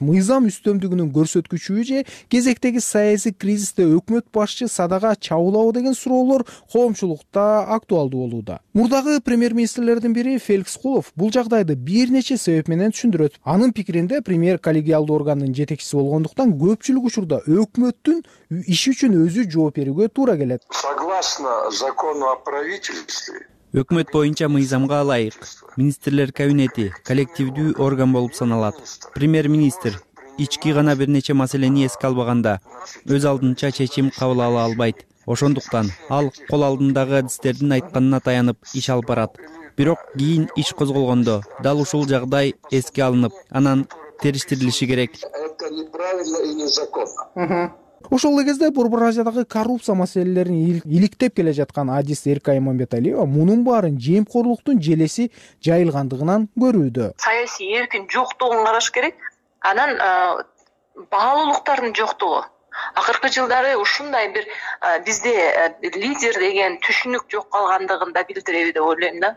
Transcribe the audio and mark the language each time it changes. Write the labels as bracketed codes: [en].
[ky] Мыйзам үстөмдүгүнүн көрсөткүчү же кезектеги саясий кризисте өкмөт башчы садага чабуулабы деген суроолор коомчулукта актуалдуу болууда. Мурдагы премьер-министрлердин бири Феликс Кулов бул жагдайды бир нече себеп менен түшүндүрөт. Анын пикиринде премьер коллегиалдуу органдын жетекчиси болгондуктан көпчүлүк учурда өкмөттүн иши үчүн өзү жооп берүүгө туура келет. [ru] Согласно закону о правительстве [ky] өкмөт боюнча мыйзамга ылайык министрлер кабинети коллективдүү орган болуп саналат. Премьер-министр ички гана бир нече маселени эске албаганда өз алдынча чечим кабыл ала албайт. Ошондуктан ал кол алдындагы адистердин айтканына таянып иш алып барат. Бирок кийин иш козголгондо дал ушул жагдай эске алынып, анан териштирилиши керек. [ru] Это неправильно и незаконно. [ky] Ошол эле кезде Борбор Азиядагы коррупция маселелерин иликтеп келе жаткан адис Эрка Имамбеталиева мунун баарын жемкорлуктун желеси жайылгандыгынан көрүүдө. Саясий эркин жоктугун караш керек, анан баалуулуктардын жоктугу. Акыркы жылдары ушундай бир бизде лидер деген түшүнүк жок калгандыгын да билдиреби деп ойлойм да.